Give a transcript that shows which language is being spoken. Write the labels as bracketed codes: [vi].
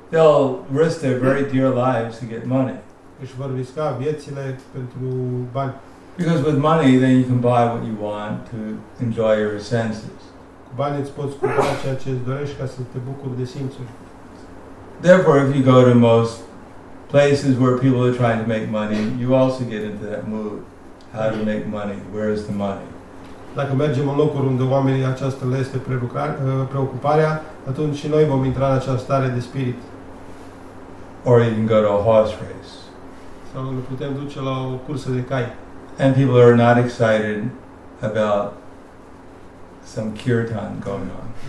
[en] they'll risk their very dear lives to get money. [ro] Își vor risca viețile pentru bani. [en] Because with money, then you can buy what you want to enjoy your senses. [ro] Cu bani îți poți cumpăra ceea ce îți dorești ca să te bucuri de simțuri. [en] Therefore, if you go to most places where people are trying to make money, you also get into that mood. How to make money? Where is the money? [ro] Dacă mergem în locuri unde oamenii aceasta le este preocuparea, atunci și noi vom intra în această stare de spirit. [en] Or you can go to a horse race. [ro] Sau ne putem duce la o cursă de cai. [en] And people are not excited about some kirtan going on.